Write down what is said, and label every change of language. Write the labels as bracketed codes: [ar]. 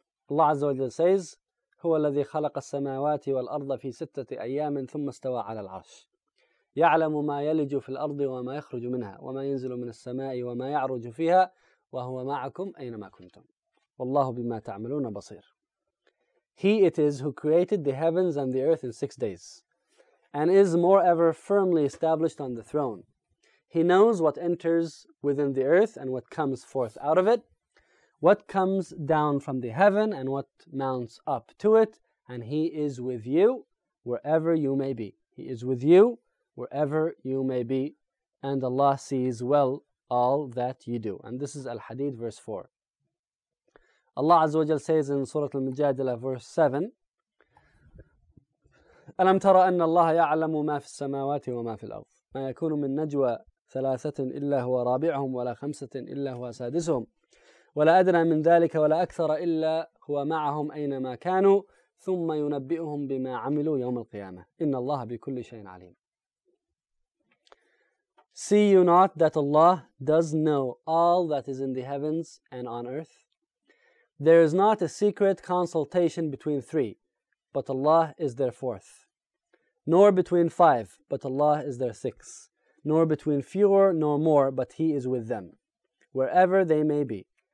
[en] Allah Azza wa Jal says, [ar] هو الذي خلق السماوات والأرض في ستة أيام ثم استوى على العرش. يعلم ما يلج في الأرض وما يخرج منها وما ينزل من السماء وما يعرج فيها وهو معكم أينما كنتم والله بما تعملون بصير. [en] He it is who created the heavens and the earth in 6 days, and is moreover firmly established on the throne. He knows what enters within the earth and what comes forth out of it, what comes down from the heaven and what mounts up to it, and He is with you wherever you may be. He is with you wherever you may be, and Allah sees well all that you do. And this is Al-Hadid, verse 4. Allah Azza wa Jal says in Surah Al-Mujadilah, verse 7, [ar] أَلَمْ تَرَ أَنَّ اللَّهَ يَعْلَمُ مَا فِي السَّمَاوَاتِ وَمَا فِي الْأَرْضِ مَا يَكُونُ مِنْ نَجْوَى ثَلَاثَةٍ إِلَّا هُوَ رَابِعُهُمْ وَلَا خَمْسَةٍ إِلَّا هُوَ سَادِسُهُمْ وَلَا أَدْنَى مِنْ ذَلِكَ وَلَا أَكْثَرَ إِلَّا هُوَ مَعَهُمْ أَيْنَمَا كَانُوا ثُمَّ يُنَبِّئُهُمْ بِمَا عَمِلُوا يَوْمَ الْقِيَامَةِ إِنَّ اللَّهَ بِكُلِّ شَيْءٍ عَلِيمٌ. [en] See you not that Allah does know all that is in the heavens and on earth? There is not a secret consultation between three, but Allah is their fourth. Nor between five, but Allah is their sixth. Nor between fewer nor more, but He is with them, wherever they may be.